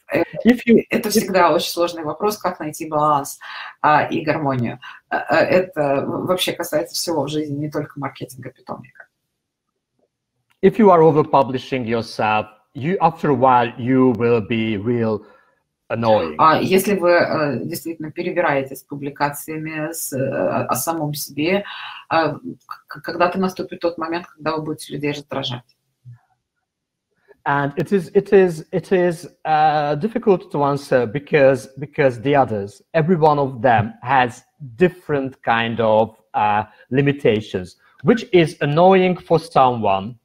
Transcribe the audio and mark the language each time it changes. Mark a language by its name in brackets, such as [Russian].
[Russian] Это всегда очень сложный вопрос, как найти баланс и гармонию. Это вообще касается всего в жизни, не только маркетинга питомника. [English] If you are overpublishing yourself, you after a while you will be real annoying. [Russian] Если вы действительно перебираете с публикациями о самом себе, когда-то наступит тот момент, когда вы будете людей раздражать. [English] And it is difficult to answer because the others, every one of them has different kind of limitations, which is annoying for someone.